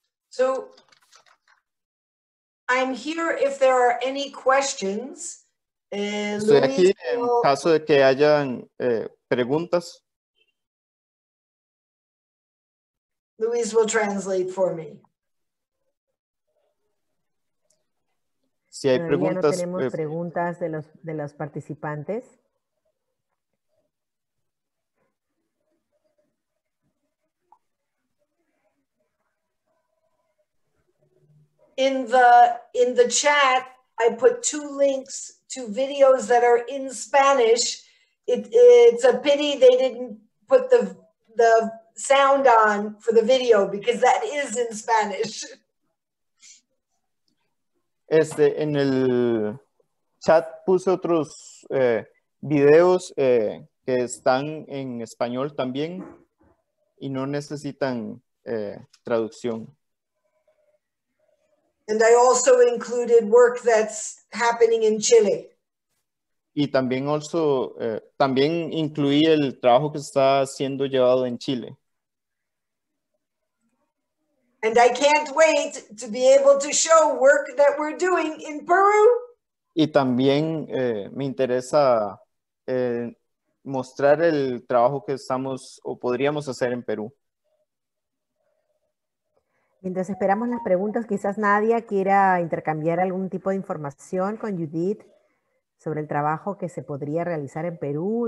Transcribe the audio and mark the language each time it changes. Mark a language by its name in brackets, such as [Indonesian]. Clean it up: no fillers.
[English] So, I'm here if there are any questions. [Spanish] Estoy aquí en caso de que hayan preguntas. [English] Luis will translate for me. [Spanish] Si hay preguntas. No tenemos preguntas de los participantes. [English] In the chat, I put two links to videos that are in Spanish. It's a pity they didn't put the sound on for the video because that is in Spanish. [Spanish] En el chat puse otros videos que están en español también y no necesitan traducción. [English] And I also included work that's happening in Chile. [Spanish] Y también también incluí el trabajo que está siendo llevado en Chile. [English] And I can't wait to be able to show work that we're doing in Peru. [Spanish] Y también me interesa mostrar el trabajo que estamos o podríamos hacer en Perú. Mientras esperamos las preguntas, quizás Nadia quiera intercambiar algún tipo de información con Judith sobre el trabajo que se podría realizar en Perú.